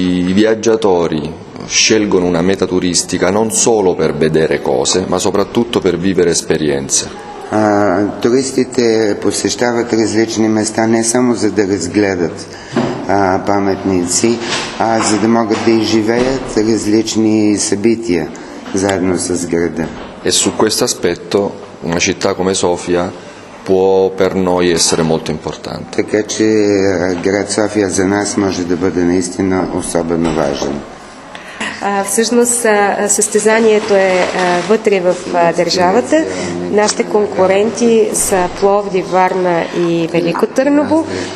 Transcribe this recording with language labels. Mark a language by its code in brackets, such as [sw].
[it] I viaggiatori scelgono una meta turistica non solo per vedere cose, ma soprattutto per vivere esperienze. [bg] Туристите посещават различни места не само за да разгледат паметници, а за да могат да изживеят различни събития заедно с града. [it] E su questo aspetto una città come Sofia può per noi essere molto importante. [bg] Така че град София за нас може да бъде наистина особено важен. Всъщност състезанието е вътре в държавата. Нашите конкуренти са Пловдив, Варна и Велико Търново.